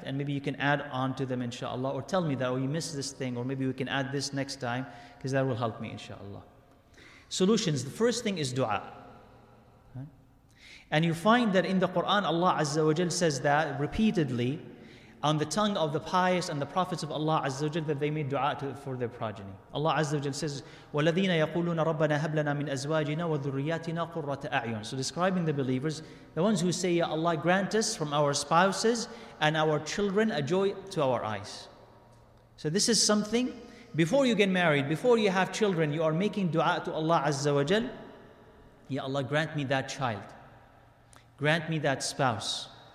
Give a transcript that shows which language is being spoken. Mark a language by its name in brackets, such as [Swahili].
[English] And maybe you can add on to them, inshallah, or tell me that, oh, you missed this thing, or maybe we can add this next time, because that will help me, inshallah. Solutions. The first thing is dua. Right? And you find that in the Quran, Allah Azza wa Jal says that repeatedly on the tongue of the pious and the prophets of Allah Azza wa Jal that they made dua for their progeny. Allah Azza wa Jal says, [Arabic] وَالَّذِينَ يَقُولُونَ رَبَّنَا هَبْ لَنَا مِنْ أَزْوَاجِنَا وَذُرِّيَّاتِنَا قُرَّةَ أَعْيُنٍ. [English] So describing the believers, the ones who say, Ya Allah, grant us from our spouses and our children a joy to our eyes. So this is something, before you get married, before you have children, you are making dua to Allah Azza wa Jal. Ya Allah, grant me that child. Grant me that spouse.